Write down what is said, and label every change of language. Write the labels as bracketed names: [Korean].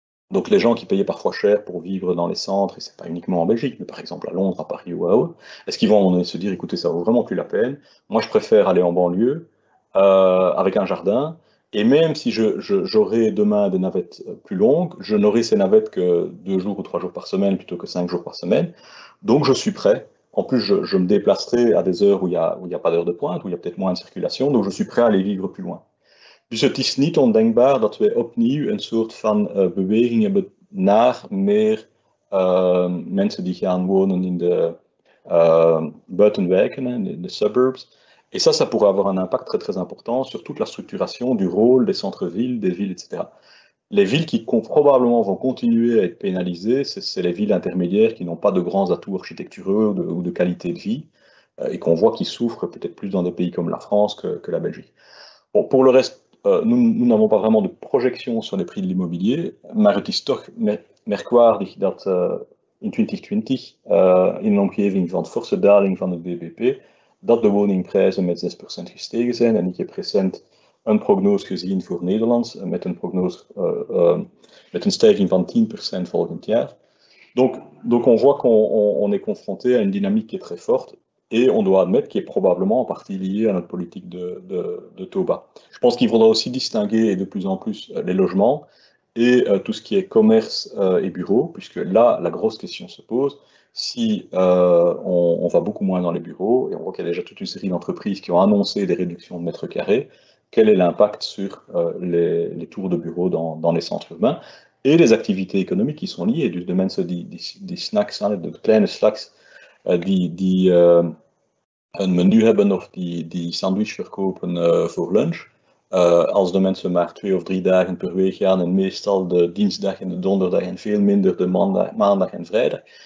[French] Donc les gens qui payaient parfois cher pour vivre dans les centres, et ce n'est pas uniquement en Belgique, mais par exemple à Londres, à Paris ou à autre, est-ce qu'ils vont se dire, écoutez, ça ne vaut vraiment plus la peine, moi je préfère aller en banlieue avec un jardin. Et même si j'aurai demain des navettes plus longues, je n'aurai ces navettes que 2 jours ou 3 jours par semaine plutôt que 5 jours par semaine. Donc je suis prêt. En plus, je me déplacerai à des heures où il y a pas d'heure de pointe, où il y a peut-être moins de circulation. Donc je suis prêt à aller vivre plus loin. [Dutch] Dus het is niet ondenkbaar dat we opnieuw een soort van beweging hebben naar meer mensen die gaan wonen in de buitenwijken, in de suburbs. [French] Et ça pourrait avoir un impact très très important sur toute la structuration du rôle des centres-villes, des villes, etc. Les villes qui probablement vont continuer à être pénalisées, c'est les villes intermédiaires qui n'ont pas de grands atouts architecturaux ou de qualité de vie, et qu'on voit qui souffrent peut-être plus dans des pays comme la France que la Belgique. Bon, pour le reste, nous n'avons pas vraiment de projection sur les prix de l'immobilier. Marietje Stork-Merkwaard dit que en 2020, une [Dutch] omgeving van forte daling van [French] le BBP. [Dutch] Dat de woningprijzen met 6% gestegen zijn. En ik heb recent een prognose gezien voor Nederlands, met een prognose met een stijging van 10% volgend jaar. [French] Donc on voit qu'on est confronté à une dynamique qui est très forte et on doit admettre qu'elle est probablement en partie liée à notre politique de taux bas. Je pense qu'il faudra aussi distinguer de plus en plus les logements et tout ce qui est commerce et bureaux, puisque là, la grosse question se pose. Si on va beaucoup moins dans les bureaux, et on voit qu'il y a déjà toute une série d'entreprises qui ont annoncé des réductions de mètres carrés, quel est l'impact sur les tours de bureaux dans les centres urbains et les activités économiques qui sont liées, du domaine des snacks, hein, [Dutch] de kleine snacks, un menu hebben of die sandwich verkopen voor lunch. Als de mensen maar 2 of 3 dagen per week gaan en meestal de dinsdag en de donderdag en veel minder de maandag en vrijdag.